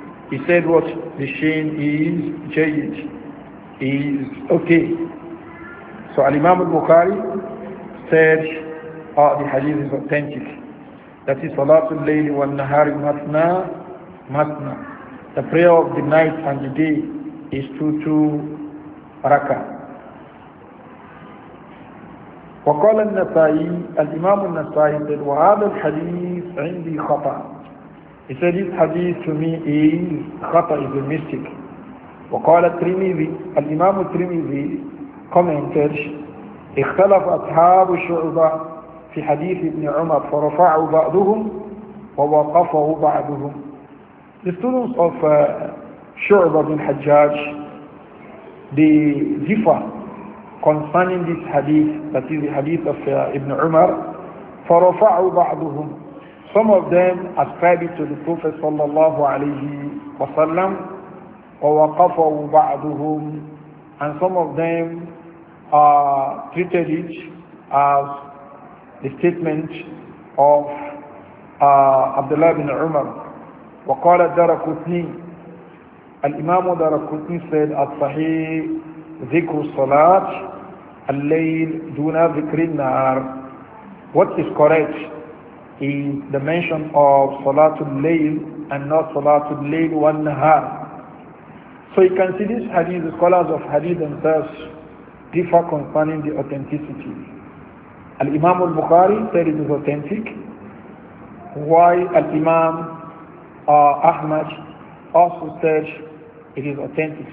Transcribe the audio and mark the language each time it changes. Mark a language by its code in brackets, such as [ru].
[en] He said what the shame is [ar] جيد, [en] is okay. So Al-Imam al-Bukhari said, the hadith is authentic. That is, [ar] صَلَاتُ اللَّيْلِ وَالنَّهَارِ مَثْنَى. [en] The prayer of the night and the day is two rakah. [ar] وقال النسائي الإمام النسائي said وهذا الحديث عندي خطأ. [en] He said this hadith to me is [ar] خطأ, [en] is a mistake. [ar] وقال الترمذي الإمام الترمذي commented اختلف أصحاب الشعبة في حديث ابن عمر فرفعه بعضهم ووقفه بعضهم. [en] The students of Shu'ba bin Hajjaj, they differ concerning this hadith, that is the hadith of Ibn Umar. [ar] فَرَفَعُوا بَعْضُهُمْ. [en] Some of them ascribe it to the Prophet sallallahu alayhi wa sallam. [ar] وَوَقَفَوا بَعْضُهُمْ. [en] And some of them treated it as the statement of Abdullah bin Umar. [ar] وقال الدارقطني الإمام الدارقطني said الصحيح ذكر الصلاة الليل دون ذكر النهار. [en] What is correct is the mention of [ar] صلاة الليل [en] and not [ar] صلاة الليل والنهار. [en] So you can see this hadith, the scholars of hadith themselves differ concerning the authenticity. Al-Imam al-Bukhari said it is authentic, while Al-Imam Ahmad also said it is authentic.